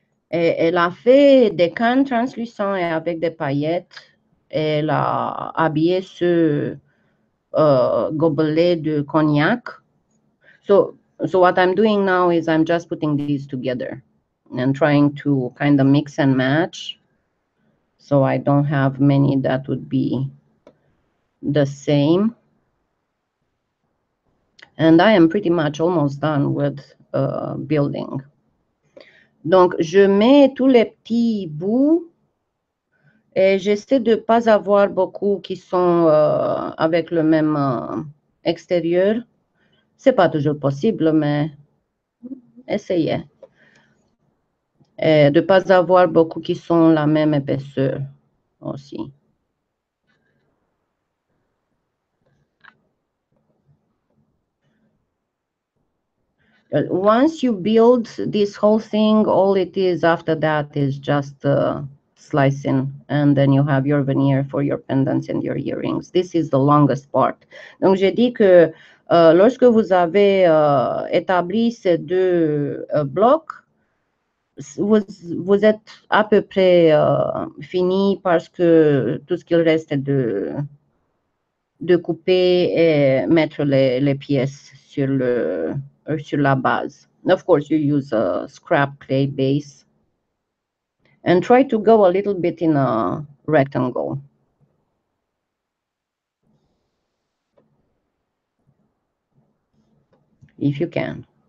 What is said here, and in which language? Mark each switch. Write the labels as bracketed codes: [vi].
[fr] Et elle a fait des cannes translucents et avec des paillettes. Et elle a habillé ce gobelet de cognac. [en] So what I'm doing now is I'm just putting these together and trying to kind of mix and match. So I don't have many that would be the same. And I am pretty much almost done with building. [fr] Donc, je mets tous les petits bouts et j'essaie de ne pas avoir beaucoup qui sont avec le même extérieur. Ce n'est pas toujours possible, mais essayez. Et de ne pas avoir beaucoup qui sont la même épaisseur aussi. [en] Once you build this whole thing, all it is after that is just slicing, and then you have your veneer for your pendants and your earrings. This is the longest part. [fr] Donc, j'ai dit que lorsque vous avez établi ces deux blocs, vous êtes à peu près fini parce que tout ce qu'il reste est de couper et mettre les pièces sur le. Or sur la base. [en] Of course, you use a scrap clay base and try to go a little bit in a rectangle. If you can.